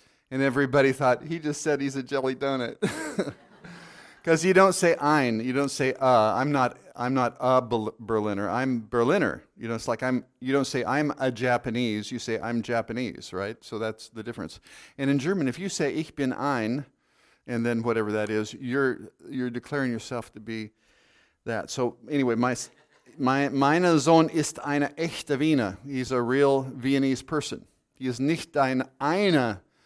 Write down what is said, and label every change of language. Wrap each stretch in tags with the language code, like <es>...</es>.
<en>And everybody thought, he just said he's a jelly donut. Because you don't say ein, you don't say I'm not a Berliner, I'm Berliner. You know, it's like you don't say I'm a Japanese, you say I'm Japanese, right? So that's the difference. And in German, if you say</en> <de>ich bin ein,</de> <en>and then whatever that is, you're declaring yourself to be that. So anyway,</en> <de>meine Sohn ist eine echte Wiener.</de> <en>He's a real Viennese person. He is</en> <de>nicht eine Wiener.</de>